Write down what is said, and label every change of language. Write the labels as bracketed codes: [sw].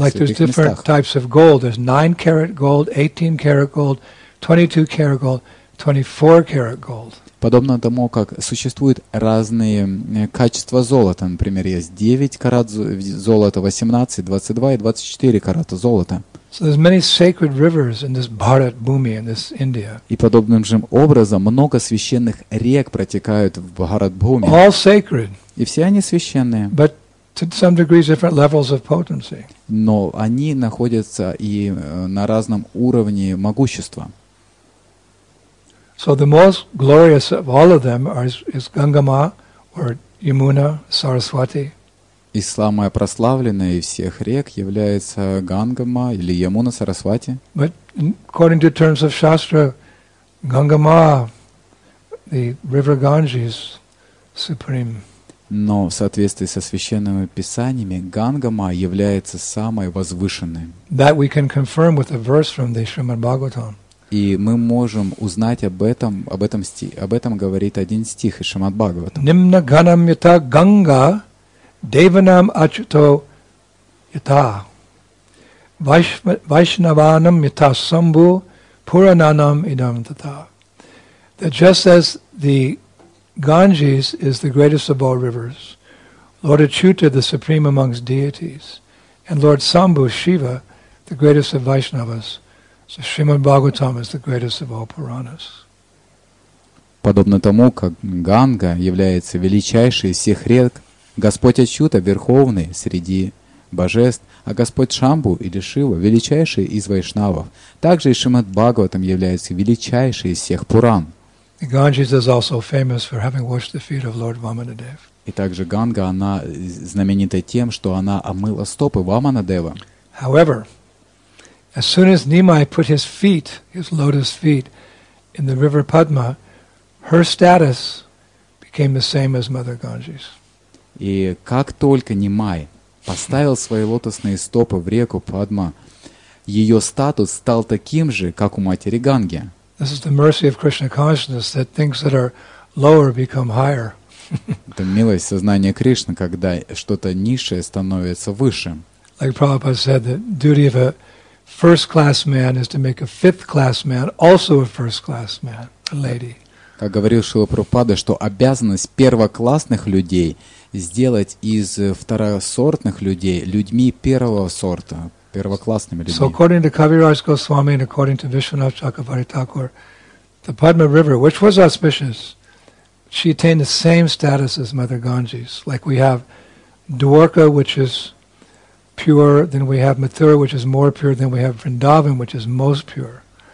[ru] местах. [en] Like there's different types of gold. There's 9 karat gold, 18 karat gold, 22 karat gold, 24 karat gold. [ru] Подобно тому, как существуют разные качества золота. Например, есть 9 карат золота, 18, 22 и 24 карата золота. [en] So there's many sacred rivers in this Bharat Bhumi, in this India. [ru] И подобным же образом много священных рек протекают в Bharat Bhumi. [en] All sacred. [ru] И все они священные. [en] But to some degrees different levels of potency. [ru] Но они находятся и на разном уровне могущества. [en] So the most glorious of all of them is Gangama or Yamuna, Saraswati. [ru] И самая прославленная из всех рек является Гангама или Ямуна Сарасвати. [en] But according to terms of Shastra, Гангама, the river Ganges, supreme. [ru] Но в соответствии со священными писаниями Гангама является самой возвышенной. [en] That we can confirm with a verse from the Shrimad Bhagavatam. [ru] И мы можем узнать об этом говорит один стих из Шримад Бхагаватам. [sa] Нимна ганам ята Ганга деванам ачуто ята вайшнаванам ята самбу пурананам идам тата. [en] That just as the Ganges is the greatest of all rivers, Lord Achyuta the supreme amongst deities, and Lord Sambhu Shiva the greatest of Vaishnavas, so Srimad Bhagavatam is the greatest of all Puranas. [ru] Подобно тому, как Ганга является величайшей из всех рек, Господь Ачюта верховный среди божеств, а Господь Шамбу или Шива величайший из вайшнавов. Также и Шримад Бхагаватам является величайшей из всех Пуран. [en] The Ganges is also famous for having washed the feet of Lord Vamanadev. [ru] И также Ганга, она знаменита тем, что она омыла стопы Ваманадева. [en] However, as soon as Nimai put his feet, his lotus feet, in the river Padma, her status became the same as Mother Ganges. [ru] И как только Нимай поставил свои лотосные стопы в реку Падма, ее статус стал таким же, как у матери Ганги. [en] This is the mercy of Krishna consciousness, that things that are lower become higher. [ru] Это милость сознания Кришны, когда что-то низшее становится выше. [en] Like Prabhupada said, the duty of a first-class man is to make a fifth-class man also a first-class man, a lady. [ru] Как говорил Шрила Прабхупада, что обязанность первоклассных людей сделать из второсортных людей людьми первого сорта, первоклассными людьми. [en] So according to Kaviraj Goswami and according to Vishwanath Chakravarti Thakur, the Padma River, which was auspicious, she attained the same status as Mother Ganges. Like we have Dwarka, which is pure, then we have Mathura, which is more pure, then we have Vrindavan, which is most pure.